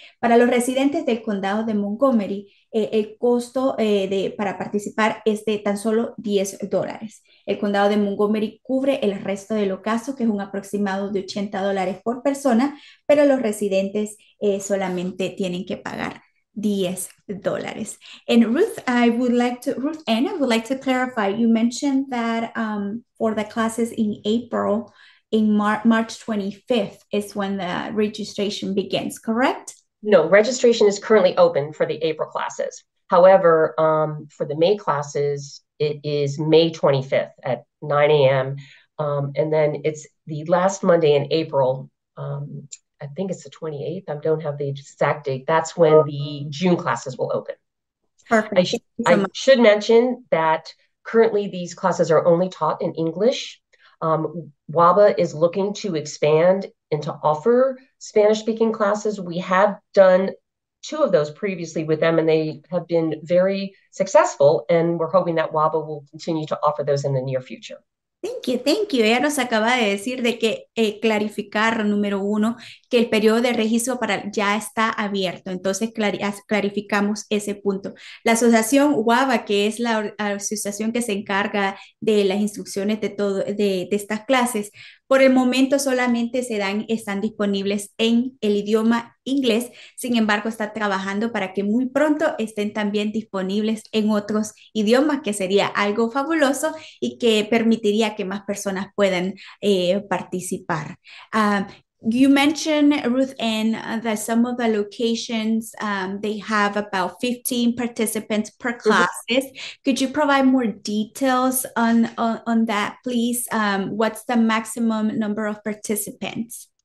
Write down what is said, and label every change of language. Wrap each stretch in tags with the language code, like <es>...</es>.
<es>Para los residentes del condado de Montgomery, el costo para participar es de tan solo $10. El condado de Montgomery cubre el resto de los gastos, que es un aproximado de $80 por persona, pero los residentes solamente tienen que pagar $10.</es> <en>And Ruth, Ruth Ann, I would like to clarify. You mentioned that for the classes in April, in March 25th is when the registration begins, correct? No, registration is currently open for the April classes. However, for the May classes, it is May 25th at 9 a.m. And then it's the last Monday in April. I think it's the 28th. I don't have the exact date. That's when the June classes will open. Perfect. Thank you so much. should mention that currently these classes are only taught in English. WABA is looking to expand and to offer Spanish-speaking classes. We have done two of those previously with them, and they have been very successful, and we're hoping that WABA will continue to offer those in the near future. Thank you.</en> <es>Ella nos acaba de decir de que clarificar, número uno, que el periodo de registro para ya está abierto. Entonces, clarificamos ese punto. La asociación WABA, que es la asociación que se encarga de las instrucciones de todo de estas clases, por el momento solamente están disponibles en el idioma inglés. Sin embargo, está trabajando para que muy pronto estén también disponibles en otros idiomas, que sería algo fabuloso y que permitiría que más personas puedan participar.</es> <en>You mentioned, Ruth Ann, that some of the locations they have about 15 participants per classes. Could you provide more details on that, please? What's the maximum number of participants?</en>